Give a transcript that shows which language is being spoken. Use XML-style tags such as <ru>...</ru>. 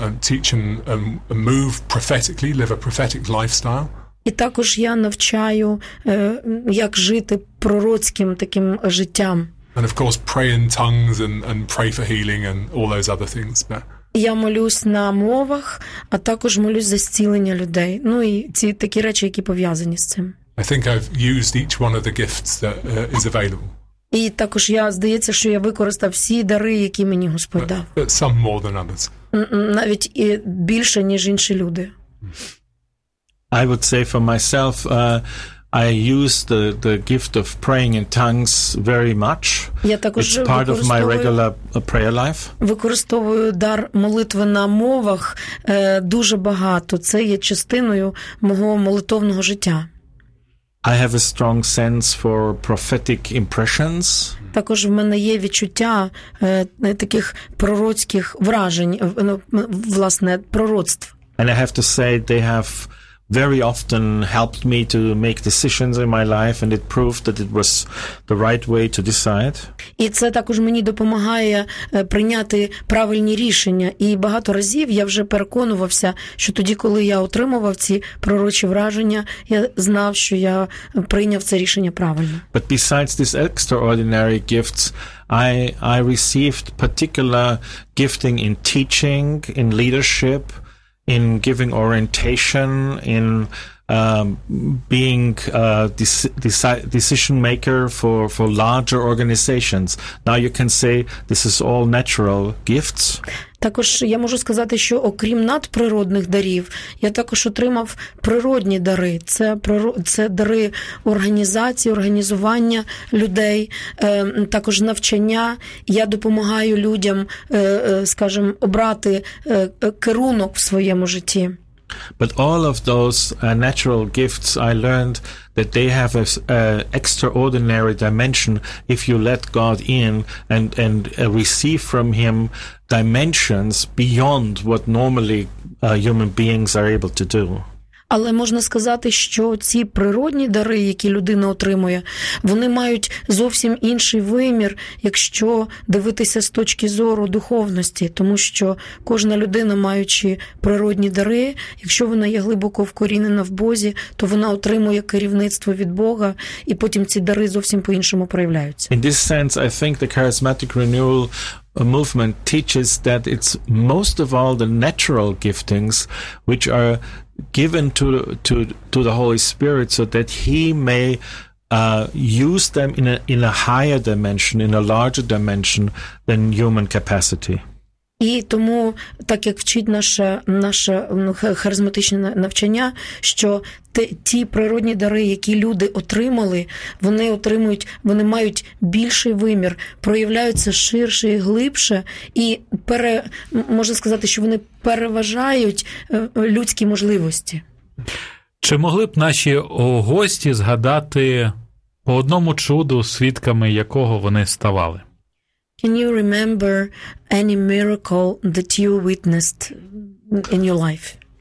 <en>Teach and move prophetically, live a prophetic lifestyle.</en> <uk>І також я навчаю, як жити пророцьким таким життям.</uk> <en>And of course, pray in tongues and pray for healing and all those other things. But...</en> <uk>Я молюсь на мовах, а також молюсь за зцілення людей. Ну і ці такі речі, які пов'язані з цим.</uk> <en>I think I've used each one of the gifts that is available.</en> <uk>І також я, здається, що я використав всі дари, які мені Господь дав.</uk> <en>But some more than others.</en> <uk>Навіть і більше, ніж інші люди.</uk> <en>I would say for myself, I use the gift of praying in tongues very much. It's part of my regular prayer life.</en> <uk>Використовую дар молитви на мовах дуже багато. Це є частиною мого молитовного життя.</uk> <en>I have a strong sense for prophetic impressions.</en> <uk>Також в мене є відчуття таких пророцьких вражень, власне, пророцтв.</uk> <en>And I have to say they have very often helped me to make decisions in my life, and it proved that it was the right way to decide.</en> <uk>І це також мені допомагає прийняти правильні рішення. І багато разів я вже переконувався, що тоді, коли я отримував ці пророчі враження, я знав, що я прийняв це рішення правильно.</uk> <en>But besides these extraordinary gifts, I received particular gifting in teaching, in leadership, in giving orientation, in being a decision maker for larger organizations. Now you can say this is all natural gifts.</en> <uk>Також я можу сказати, що окрім надприродних дарів, я також отримав природні дари. Це дари організації, організування людей, також навчання. Я допомагаю людям, скажімо, обрати керунок в своєму житті.</uk> <en>But all of those natural gifts, I learned that they have an extraordinary dimension if you let God in and receive from Him dimensions beyond what normally human beings are able to do.</en> <uk>Але можна сказати, що ці природні дари, які людина отримує, вони мають зовсім інший вимір, якщо дивитися з точки зору духовності, тому що кожна людина, маючи природні дари, якщо вона є глибоко вкорінена в Бозі, то вона отримує керівництво від Бога, і потім ці дари зовсім по-іншому проявляються.</uk> <en>In this sense, I think the charismatic renewal movement teaches that it's most of all the natural giftings which are given to the Holy Spirit so that He may use them in a higher dimension, in a larger dimension than human capacity.</en> <uk>І тому, так як вчить наше харизматичне навчання, що ті природні дари, які люди отримали, вони мають більший вимір, проявляються ширше і глибше, і можна сказати, що вони переважають людські можливості. Чи могли б наші гості згадати по одному чуду, свідками якого вони ставали?</uk> <en>Can you remember any miracle that you witnessed in your life?</en>